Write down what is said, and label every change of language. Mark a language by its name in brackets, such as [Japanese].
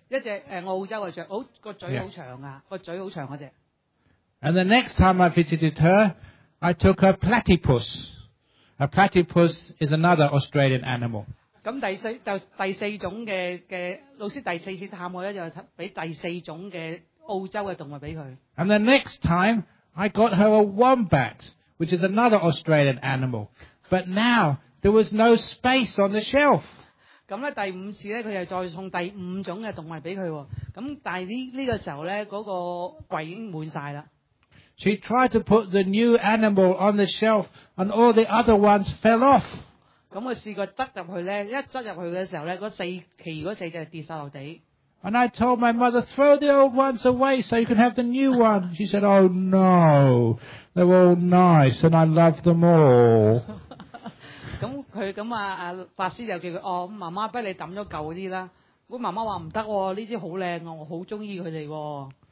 [Cantonese] 一隻澳洲嘅雀，好個嘴好長啊，個嘴好長嗰只。 [English] And the next time I visited her, I took a platypus. A platypus is another Australian animal. [Cantonese] 咁第四就第四種嘅老師第四次探我咧，就俾第四種嘅澳洲嘅動物俾佢。 [English] And the next time, I got her a wombat, which is another Australian animal. But now there was no space on the shelf. [Cantonese] 咁咧第五次咧，佢又再送第五種嘅動物俾佢。咁但係呢個時候咧，嗰個櫃已經滿曬啦。 [English] She tried to put the new animal on the shelf, and all the other ones fell off. [Cantonese] 咁我试过执入去咧，一执入去嘅时候咧，其余嗰四只跌晒落地。 [English] And I told my mother, throw the old ones away so you can have the new one. She said, Oh no, they're all nice, and I love them all. [Cantonese] 咁佢咁啊，法师就叫佢，哦，妈妈不如你抌咗旧啲啦。咁妈妈话唔得，呢啲好靓啊，我好中意佢哋。